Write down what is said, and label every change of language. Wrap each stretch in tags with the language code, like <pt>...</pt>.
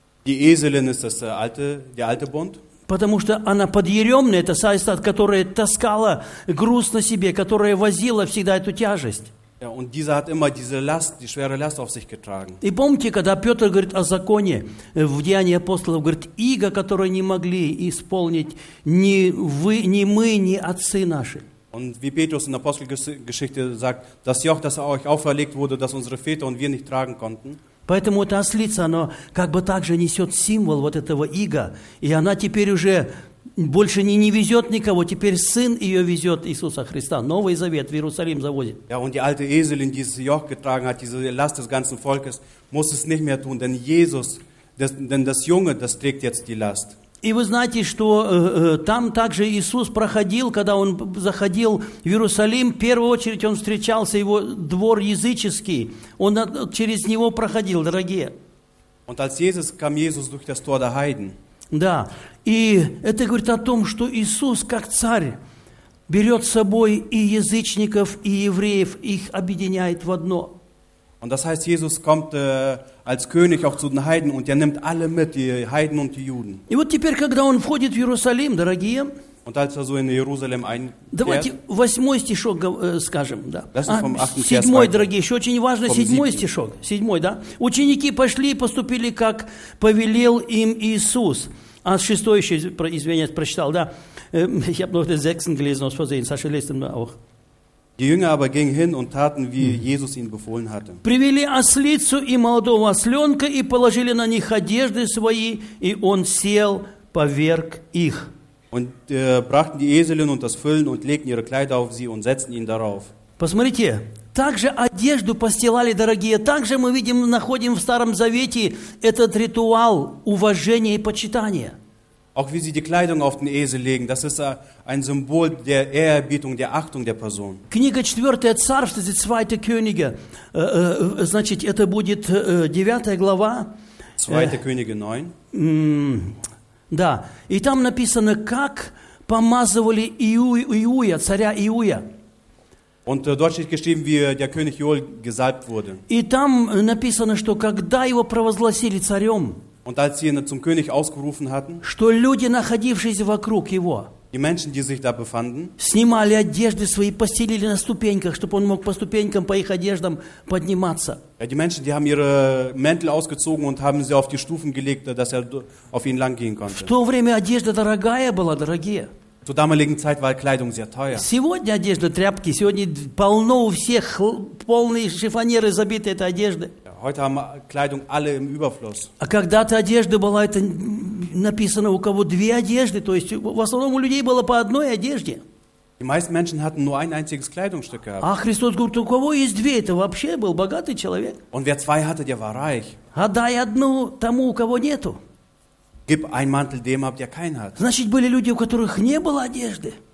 <de>Die Eselin ist das alte, der alte Bund.</de> <ru>Потому что она подъеремная, это сайста, которая таскала груз на себе, которая возила всегда эту тяжесть.</ru> <de>Ja, und dieser hat immer diese Last, die schwere Last auf sich getragen.</de> <ru>И помните, когда Петр говорит о законе в Деянии апостолов, говорит, иго, которое не могли исполнить ни вы, ни мы, ни отцы наши.</ru> <de>Und wie Petrus in der Apostelgeschichte sagt, das Joch, das euch auferlegt wurde, das unsere Väter und wir nicht tragen konnten.</de> <ru>Поэтому эта ослица, она как бы также несет символ вот этого ига, и она теперь уже больше не везет никого, теперь сын ее везет Иисуса Христа, Новый Завет в Иерусалим завозит.</ru> <de>Ja, und die alte Eselin, die dieses Joch getragen hat, diese Last des ganzen Volkes, muss es nicht mehr tun, denn Jesus, denn das Junge, das trägt jetzt die Last.</de> <ru>И вы знаете, что там также Иисус проходил, когда он заходил в Иерусалим, в первую очередь он встречался, его двор языческий, он через него проходил, дорогие.</ru> <de>Und als Jesus kam Jesus durch das Tor der Heiden.</de> <ru>Да, и это говорит о том, что Иисус как царь берет с собой и язычников, и евреев, их объединяет в одно.</ru> <de>Und das heißt, Jesus kommt als König auch zu den Heiden und er nimmt alle mit, die Heiden und die Juden.</de> <ru>И вот теперь, когда он входит в Иерусалим, дорогие,</ru> <de>und als so in Jerusalem einkehrt,</de> <ru>давайте восьмой стишок скажем, да.</ru> <de>Das ist vom 8. Vers.</de> <ru>Седьмой, дорогие, еще очень важно, седьмой стишок, седьмой, да. Ученики пошли и поступили, как повелел им Иисус. А шестой еще, извиняюсь, прочитал, да.</ru> <de>Ich habe noch den sechsten gelesen, aus Versehen. Sascha, lest den auch. Die Jünger aber gingen hin und taten, wie Jesus ihnen befohlen hatte.</de> <ru>Привели ослицу и молодого осленка и положили на них одежды свои, и он сел, поверг их.</ru> <de>Und brachten die Eselin und das Füllen und legten ihre Kleider auf sie und setzten ihn darauf.</de> <ru>Посмотрите, также одежду постилали, дорогие, также мы видим, находим в Старом Завете этот ритуал уважения и почитания.</ru> <de>Auch wie sie die Kleidung auf den Esel legen, das ist ein Symbol der Ehrerbietung, der Achtung der Person.</de> <ru>Книга 4 Царств, это</ru> <de>2 Könige,</de> <ru>значит, это будет 9 глава.</ru> <de>2 Könige 9.</de> <ru>Да, и там написано, как помазывали Иуя, царя Иуя.</ru> <de>Und dort steht geschrieben, wie der König Joel gesalbt wurde.</de> <ru>И там написано, что когда его провозгласили царем,</ru> <de>und als sie ihn zum König ausgerufen hatten,</de> <ru>что люди, находившиеся вокруг его,</ru> <de>die Menschen, die sich da befanden,</de> <ru>снимали одежды свои, постелили на ступеньках, чтобы он мог по ступенькам, по их одеждам подниматься.</ru> <de>Ja, die Menschen, die haben ihre Mäntel ausgezogen und haben sie auf die Stufen gelegt, dass auf ihn lang gehen konnte.</de> <ru>В то время одежда дорогая была, дорогие.</ru> <de>Zur damaligen Zeit war Kleidung sehr teuer.</de> <ru>Сегодня одежда тряпки, сегодня полно у всех, полные шифонеры забиты этой одеждой.</ru> <de>Heute haben Kleidung alle im Überfluss.</de> <ru>А когда-то одежда была, это написано, у кого две одежды, то есть в основном у людей было по одной одежде.</ru> <de>Die meisten Menschen hatten nur ein einziges Kleidungsstück gehabt.</de> <ru>А Христос говорит, у кого есть две, это вообще был богатый человек.</ru> <de>Und wer zwei hatte, der war reich.</de> <ru>Отдай одну тому, у кого нету.</ru> <de>Gib einen Mantel dem ab, der keinen hat.</de> <ru>Значит, были люди, у которых не было одежды.</ru>